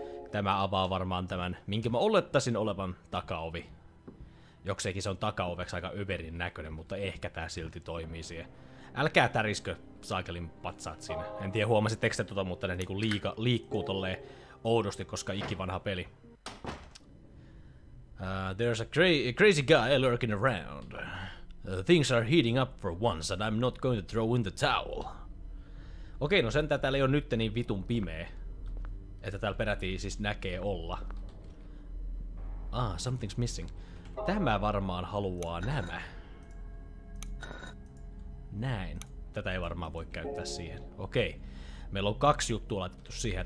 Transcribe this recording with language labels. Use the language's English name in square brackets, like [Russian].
[Finnish] Tämä avaa varmaan tämän, minkä mä olettaisin olevan takaovi. Jokseenkin se on takaoveksi aika överin näköinen, mutta ehkä tää silti toimii siihen. Älkää täriskö saakelin patsaat sinne. En tiedä, huomasitteko te tota, mutta ne niinku liikkuu tolleen oudosti, koska ikivanha peli. [English] There's a crazy guy lurking around. Things are heating up for once and I'm not going to throw in the towel. [Finnish] Okei, no sentään täällä ei oo nytte niin vitun pimeä, että täällä peräti siis näkee olla. [English] Ah, something's missing. [Finnish] Tämä varmaan haluaa nämä. Näin. Tätä ei varmaan voi käyttää siihen. Okei. Meillä on kaksi juttua laitettu siihen.